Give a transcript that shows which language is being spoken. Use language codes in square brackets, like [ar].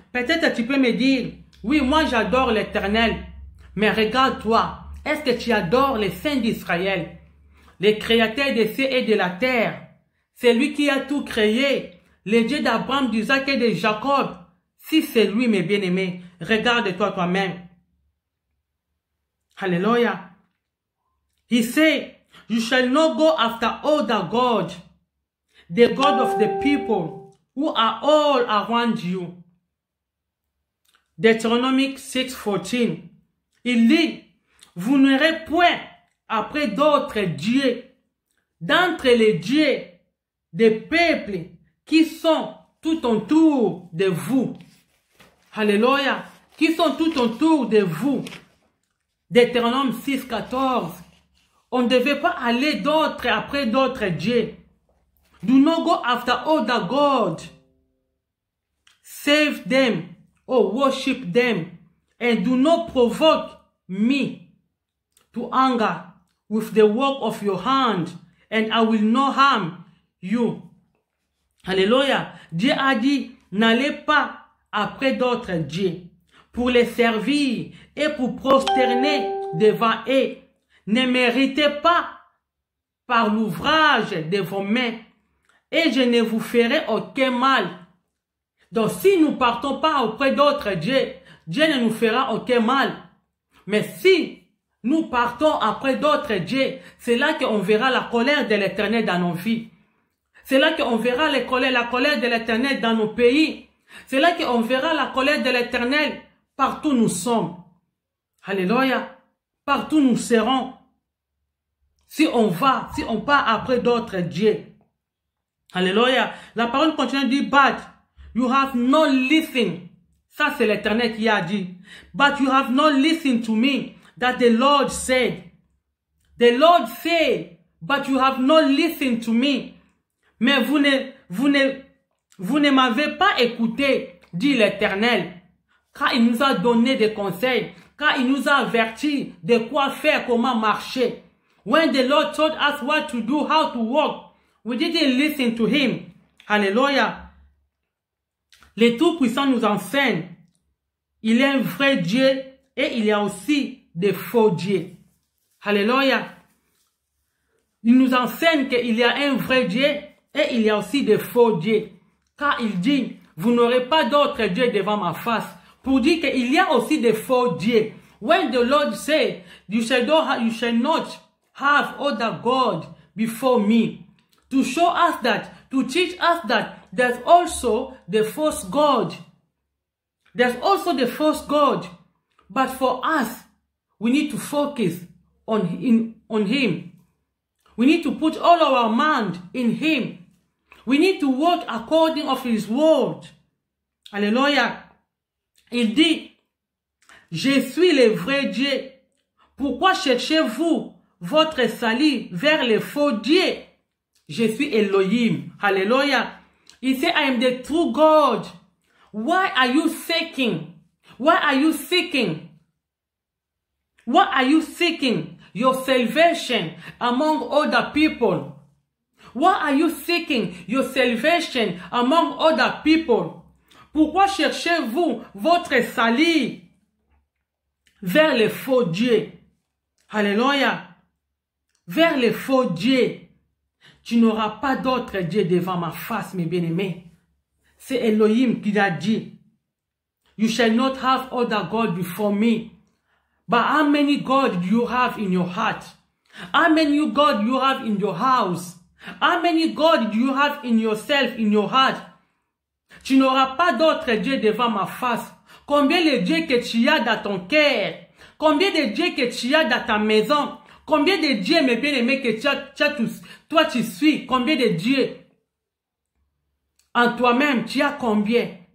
[fr] Peut-être tu peux me dire, oui, moi j'adore l'Éternel, mais regarde-toi, est-ce que tu adores le Saint d'Israël, le Créateur des cieux et de la terre, celui qui a tout créé, le Dieu d'Abraham, d'Isaac et de Jacob? Si c'est lui, mes bien-aimés, regarde-toi toi-même. Alléluia. [en] He said, you shall not go after other gods, the God of the people who are all around you. [fr] Deutéronome 6:14. Il dit, vous n'irez point après d'autres dieux, d'entre les dieux des peuples qui sont tout autour de vous. Alléluia. Qui sont tout autour de vous. Deutéronome 6:14. On ne devait pas aller d'autres après d'autres dieux. [en] Do not go after other gods. Save them or worship them. And do not provoke me to anger with the work of your hand. And I will not harm you. Alléluia. [fr] Dieu a dit, n'allez pas après d'autres dieux pour les servir et pour prosterner devant eux. Ne méritez pas par l'ouvrage de vos mains. Et je ne vous ferai aucun mal. Donc, si nous partons pas auprès d'autres dieux, Dieu ne nous fera aucun mal. Mais si nous partons après d'autres dieux, c'est là qu'on verra la colère de l'Éternel dans nos vies. C'est là qu'on verra la colère de l'Éternel dans nos pays. C'est là qu'on verra la colère de l'Éternel partout où nous sommes. Alléluia. Partout où nous serons. Si on va, si on part après d'autres dieux. Alléluia. La parole continue dit, [en] but you have not listened. [fr] Ça, c'est l'Éternel qui a dit. [en] But you have not listened to me that the Lord said. The Lord said, but you have not listened to me. [fr] Mais vous ne m'avez pas écouté, dit l'Éternel. Car il nous a donné des conseils. Car il nous a averti de quoi faire, comment marcher. [en] When the Lord told us what to do, how to walk, we didn't listen to him. [fr] Alléluia. Le Tout-Puissant nous enseigne. Il est un vrai Dieu et il y a aussi des faux dieux. Alléluia. Il nous enseigne qu'il y a un vrai Dieu et il y a aussi des faux dieux. Car il dit, vous n'aurez pas d'autre Dieu devant ma face. Pour dire qu'il y a aussi des faux dieux. [en] When the Lord said, you shall not have other God before me. To show us that, to teach us that, there's also the false God. There's also the false God. But for us, we need to focus on Him. We need to put all our mind in Him. We need to walk according to His word. Alléluia. [fr] Il dit, je suis le vrai Dieu. Pourquoi cherchez-vous votre salut vers les faux dieux? Je suis Elohim. [en] Alléluia. He said, I am the true God. Why are you seeking? Why are you seeking? Why are you seeking your salvation among other people? Why are you seeking your salvation among other people? [fr] Pourquoi cherchez-vous votre salut vers les faux dieux? Alléluia. Vers les faux dieux. Tu n'auras pas d'autre Dieu devant ma face, mes bien-aimés. C'est Elohim qui l'a dit. [en] You shall not have other God before me. But how many God do you have in your heart? How many God do you have in your house? How many God do you have in yourself, in your heart? [fr] Tu n'auras pas d'autre Dieu devant ma face. Combien de dieux que tu as dans ton cœur? Combien de dieux que tu as dans ta maison? Combien de dieux, mes bien-aimés, que tu as tous, toi tu suis, combien de dieux en toi-même, tu as combien?